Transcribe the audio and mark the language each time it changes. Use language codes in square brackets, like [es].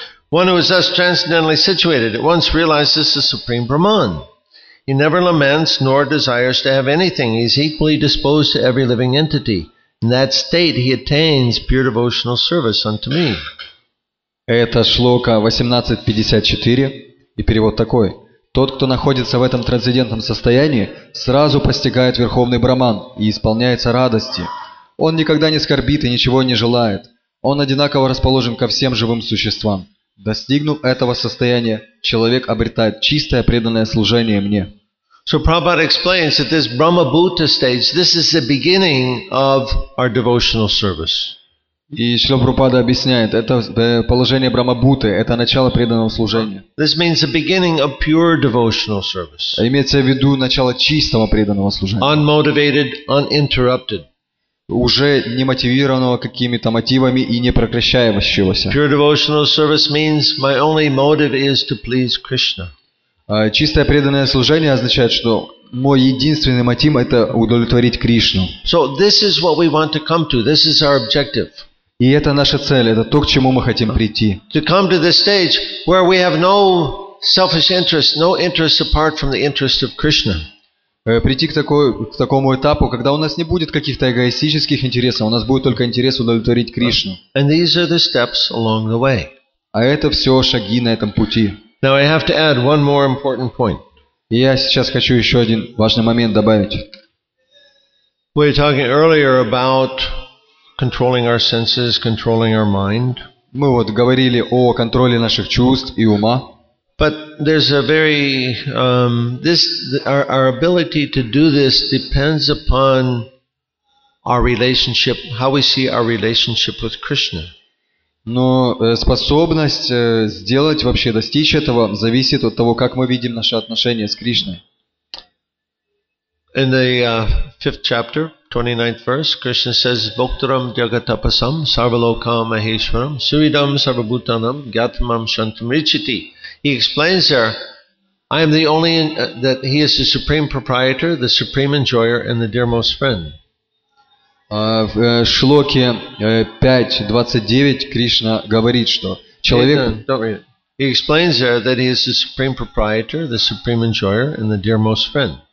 [en] One who is thus transcendentally situated at once realizes the supreme Brahman. He never laments nor desires to have anything. He is equally disposed to every living entity. In that state he attains pure devotional service unto me. [ru] Это шлока 1854 и перевод такой. Тот, кто находится в этом трансцендентном состоянии, сразу постигает верховный Брахман и исполняется радости. Он никогда не скорбит и ничего не желает. Он одинаково расположен ко всем живым существам. Достигнув этого состояния, человек обретает чистое преданное служение мне. [en] So Prabhupada explains that this Brahma Bhuta stage, this is the beginning of our devotional service. [ru] И Шрила Прабхупада объясняет, это положение Брахма Бхуты, это начало преданного служения. [en] This means the beginning of pure devotional service. [ru] Имеется в виду начало чистого преданного служения. [en] Unmotivated, uninterrupted. [ru] Уже не мотивированного какими-то мотивами и не прекращающегося. [en] Pure devotional service means my only motive is to please Krishna. [ru] Чистое преданное служение означает, что мой единственный мотив это удовлетворить Кришну. [en] So this is what we want to come to. This is our objective. [ru] И это наша цель, это то, к чему мы хотим прийти. [en] To come to this stage where we have no selfish interest, no interest apart from the interest of Krishna. [ru] Прийти к такому этапу, когда у нас не будет каких-то эгоистических интересов, у нас будет только интерес удовлетворить Кришну. [en] And these are the steps along the way. [ru] А это все шаги на этом пути. [en] Now I have to add one more important point. [ru] И я сейчас хочу еще один важный момент добавить. [en] We were talking earlier about controlling our senses, controlling our mind. [ru] Мы вот говорили о контроле наших чувств и ума. [en] But there's a very our ability to do this depends upon our relationship, how we see our relationship with Krishna. [ru] Но способность сделать вообще достичь этого зависит от того, как мы видим наши отношения с Кришной. [en] In the fifth chapter, 29th verse, Krishna says, [sa] Voktaram Jagatapasam, Sarvalokam Maheshwaram, Suridam Sarvabhutanam, Gyatamam Shantam Richiti. [en] He explains there, I am the only, that he is the supreme proprietor, the supreme enjoyer, and the dearmost friend. [ru] В шлоке 5.29 Кришна говорит, что человек... [en] Don't read it. He explains there that he is the supreme proprietor, the supreme enjoyer, and the dearmost friend.